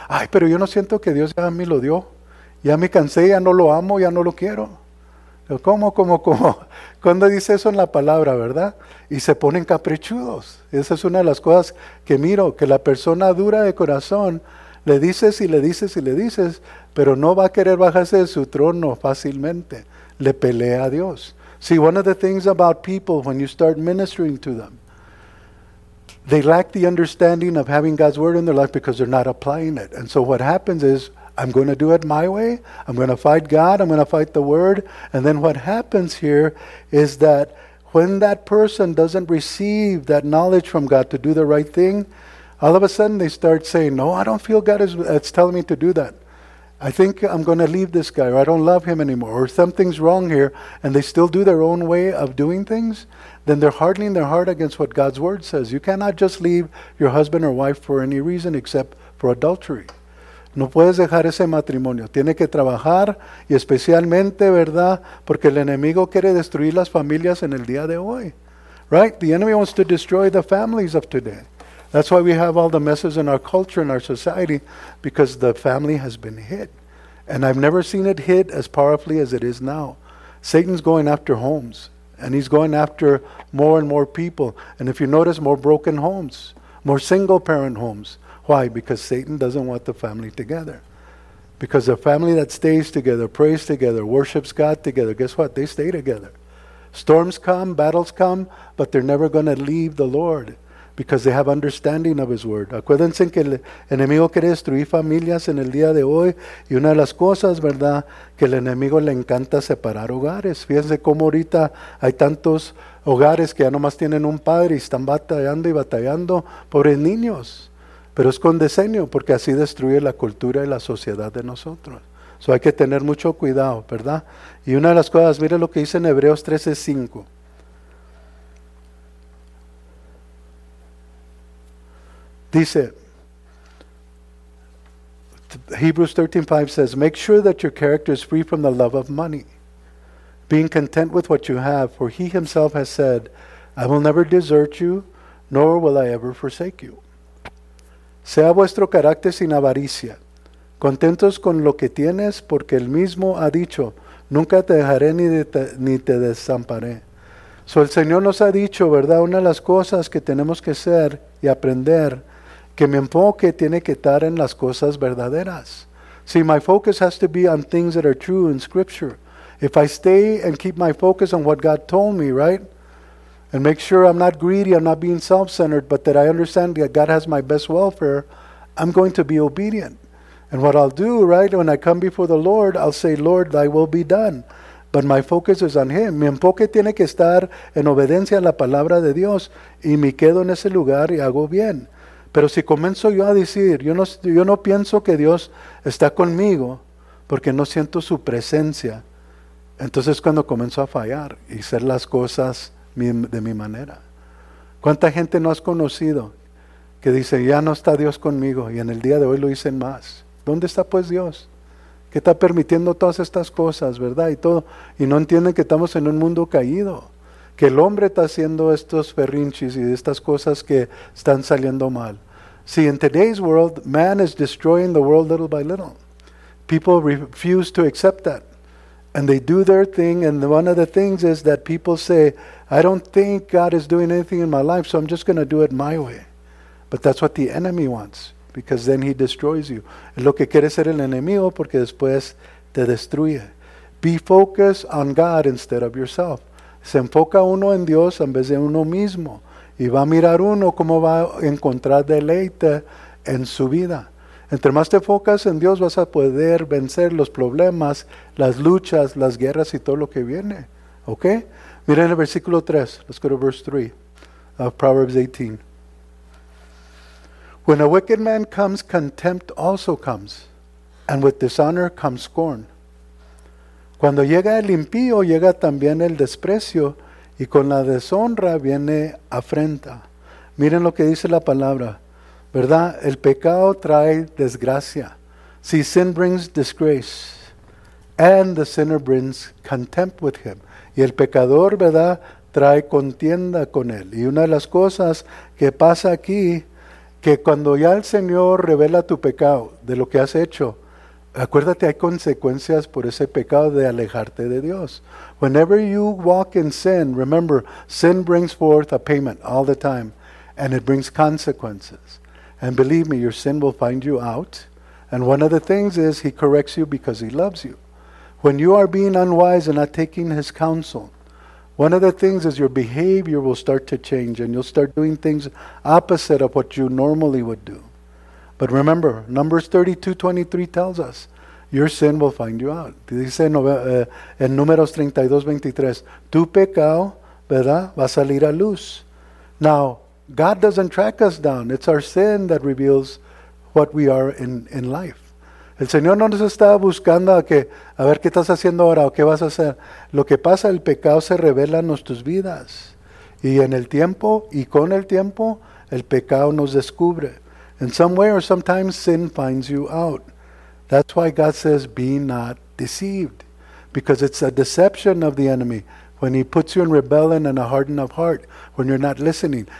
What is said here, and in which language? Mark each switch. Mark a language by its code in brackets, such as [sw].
[es] Ay, pero yo no siento que Dios ya a mí lo dio. Ya me cansé, ya no lo amo, ya no lo quiero. ¿Cómo? ¿Cuándo dice eso en la palabra, verdad? Y se ponen caprichudos. Esa es una de las cosas que miro, que la persona dura de corazón, le dices y le dices y le dices, pero no va a querer bajarse de su trono fácilmente. Le pelea a Dios. [en] See, one of the things about people, when you start ministering to them, they lack the understanding of having God's word in their life because they're not applying it. And so what happens is, I'm going to do it my way. I'm going to fight God. I'm going to fight the word. And then what happens here is that when that person doesn't receive that knowledge from God to do the right thing, all of a sudden they start saying, no, I don't feel God is telling me to do that. I think I'm going to leave this guy, or I don't love him anymore, or something's wrong here, and they still do their own way of doing things, then they're hardening their heart against what God's word says. You cannot just leave your husband or wife for any reason except for adultery. [es] No puedes dejar ese matrimonio. Tiene que trabajar, y especialmente, ¿verdad?, porque el enemigo quiere destruir las familias en el día de hoy. [en] Right? The enemy wants to destroy the families of today. That's why we have all the messes in our culture, in our society, because the family has been hit. And I've never seen it hit as powerfully as it is now. Satan's going after homes, and he's going after more and more people. And if you notice, more broken homes, more single-parent homes. Why? Because Satan doesn't want the family together. Because a family that stays together, prays together, worships God together, guess what? They stay together. Storms come, battles come, but they're never going to leave the Lord because they have understanding of his word. [es] Acuérdense que el enemigo quiere destruir familias en el día de hoy, y una de las cosas, ¿verdad?, que el enemigo le encanta separar hogares. Fíjense cómo ahorita hay tantos hogares que ya nomás tienen un padre y están batallando y batallando, pobres niños. Pero es con diseño, porque así destruye la cultura y la sociedad de nosotros. So hay que tener mucho cuidado, ¿verdad? Y una de las cosas, mire lo que dice en Hebreos 13:5. Dice, [en] Hebrews 13:5 says, make sure that your character is free from the love of money, being content with what you have, for he himself has said, I will never desert you, nor will I ever forsake you. [es] Sea vuestro carácter sin avaricia, contentos con lo que tienes, porque él mismo ha dicho, nunca te dejaré ni te desamparé. So el Señor nos ha dicho, ¿verdad?, una de las cosas que tenemos que ser y aprender, que mi enfoque tiene que estar en las cosas verdaderas. [en] See, my focus has to be on things that are true in Scripture. If I stay and keep my focus on what God told me, right? And make sure I'm not greedy, I'm not being self-centered, but that I understand that God has my best welfare, I'm going to be obedient. And what I'll do, right, when I come before the Lord, I'll say, Lord, thy will be done. But my focus is on him. [es] Mi enfoque tiene que estar en obediencia a la palabra de Dios, y me quedo en ese lugar y hago bien. Pero si comienzo yo a decir, yo no pienso que Dios está conmigo, porque no siento su presencia, entonces cuando comienzo a fallar y hacer las cosas de mi manera. ¿Cuánta gente no has conocido que dice, ya no está Dios conmigo, y en el día de hoy lo dicen más? ¿Dónde está pues Dios? ¿Qué está permitiendo todas estas cosas, verdad? Y todo, y no entienden que estamos en un mundo caído, que el hombre está haciendo estos berrinches y estas cosas que están saliendo mal. [en] See, in today's world, man is destroying the world little by little. People refuse to accept that. And they do their thing, and one of the things is that people say, I don't think God is doing anything in my life, so I'm just going to do it my way. But that's what the enemy wants, because then he destroys you. [es] Lo que quiere ser el enemigo, porque después te destruye. [en] Be focused on God instead of yourself. [es] Se enfoca uno en Dios en vez de uno mismo. Y va a mirar uno cómo va a encontrar deleite en su vida. Entre más te enfocas en Dios, vas a poder vencer los problemas, las luchas, las guerras y todo lo que viene. ¿Ok? Mira en el versículo 3. [en] Let's go to verse 3 of Proverbs 18. When a wicked man comes, contempt also comes. And with dishonor comes scorn. [es] Cuando llega el impío, llega también el desprecio. Y con la deshonra viene afrenta. Miren lo que dice la palabra. ¿Verdad? El pecado trae desgracia. [en] See, sin brings disgrace. And the sinner brings contempt with him. [es] Y el pecador, ¿verdad? Trae contienda con él. Y una de las cosas que pasa aquí, que cuando ya el Señor revela tu pecado, de lo que has hecho, acuérdate, hay consecuencias por ese pecado de alejarte de Dios. [en] Whenever you walk in sin, remember, sin brings forth a payment all the time, and it brings consequences. And believe me, your sin will find you out. And one of the things is, he corrects you because he loves you. When you are being unwise and not taking his counsel, one of the things is your behavior will start to change, and you'll start doing things opposite of what you normally would do. But remember, Numbers 32:23 tells us, your sin will find you out. [es] Dice en Números 32:23, tu pecado, ¿verdad?, va a salir a luz. [en] Now, God doesn't track us down. It's our sin that reveals what we are in life. [es] El Señor no nos está buscando a ver qué estás haciendo ahora o qué vas a hacer. Lo que pasa, el pecado se revela en nuestras vidas. Y en el tiempo, y con el tiempo, el pecado nos descubre. [en] In some way or sometimes sin finds you out. That's why God says, be not deceived. Because it's a deception of the enemy. When he puts you in rebellion and a hardened of heart, when you're not listening.